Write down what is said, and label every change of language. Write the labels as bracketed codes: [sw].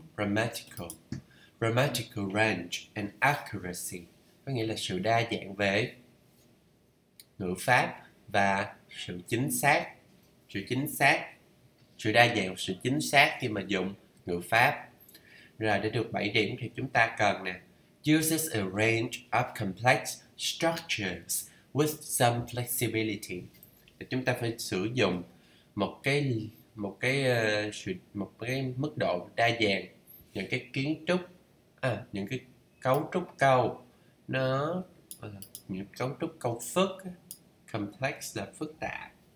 [en] Grammatical. Grammatical range and accuracy. [vi] Có nghĩa là sự đa dạng về ngữ pháp và sự chính xác. Sự chính xác. Sự đa dạng, sự chính xác khi mà dùng ngữ pháp. Rồi, để được 7 điểm thì chúng ta cần nè. [en] Uses a range of complex structures with some flexibility. [vi] Thì chúng ta phải sử dụng một cái mức độ đa dạng. Những cái kiến trúc, những cái cấu trúc câu. Nó, những cấu trúc câu phức. Complex là phức tạp.